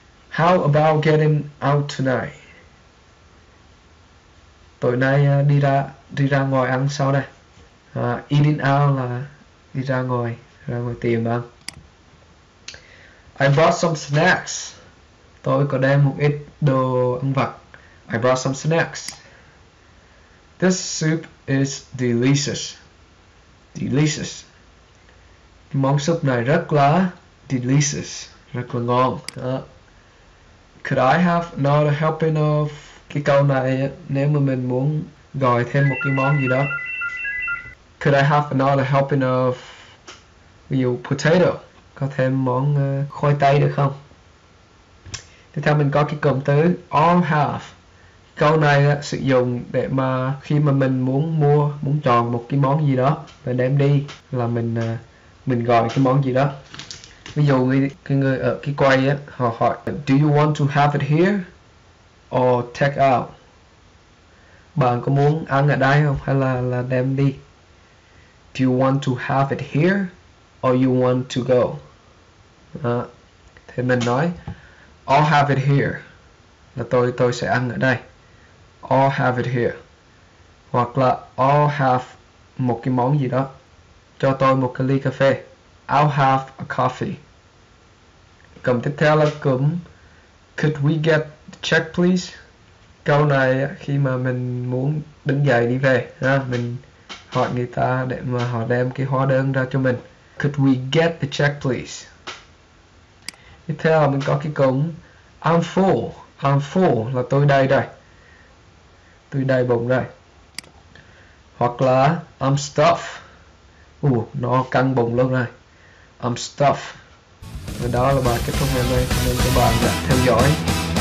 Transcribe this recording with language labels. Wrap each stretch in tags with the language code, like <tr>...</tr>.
<en>How about getting out tonight?</en> <vi>Tối nay đi ra ngoài ăn sao đây?</vi> <en>Eating out</en> <vi>là đi ra ngoài tìm ăn.</vi> <en>I brought some snacks.</en> <vi>Tôi có đem một ít đồ ăn vặt.</vi> <en>I brought some snacks. This soup is delicious. Delicious.</en> <vi>Món súp này rất là delicious, rất là ngon.</vi> <en>Could I have another helping of?</en> <vi>Cái câu này nếu mà mình muốn gọi thêm một cái món gì đó.</vi> <en>Could I have another helping of,</en> <vi>ví dụ potato, có thêm món khoai tây được không? Tiếp theo mình có cái cụm từ all have. Câu này sử dụng để mà khi mà mình muốn chọn một cái món gì đó và đem đi, là mình gọi cái món gì đó. Ví dụ người ở cái quầy á, họ hỏi</vi> <en>do you want to have it here or take out?</en> <vi>Bạn có muốn ăn ở đây không hay là đem đi?</vi> <en>Do you want to have it here or you want to go?</en> <vi>Đó. Thì mình nói</vi> <en>I'll have it here,</en> <vi>là tôi sẽ ăn ở đây. I'll have it here. Hoặc là</vi> <en>I'll have</en> <vi>một cái món gì đó. Cho tôi một cái ly cà phê.</vi> <en>I'll have a coffee.</en> <vi>Cụm tiếp theo là cụm</vi> <en>could we get the check please?</en> <vi>Câu này khi mà mình muốn đứng dậy đi về, mình hỏi người ta để mà họ đem cái hóa đơn ra cho mình.</vi> <en>Could we get the check please?</en> <vi>Tiếp theo là mình có cái cụm</vi> <en>I'm full. I'm full</en> <vi>là tôi đầy đây. Tôi đầy bụng đây. Hoặc là</vi> <en>I'm stuffed.</en> <vi>Nó căng bụng luôn rồi.</vi> <en>I'm stuffed.</en> <vi>Và đó là bài kết thúc ngày hôm nay. Cảm ơn các bạn đã theo dõi.</vi>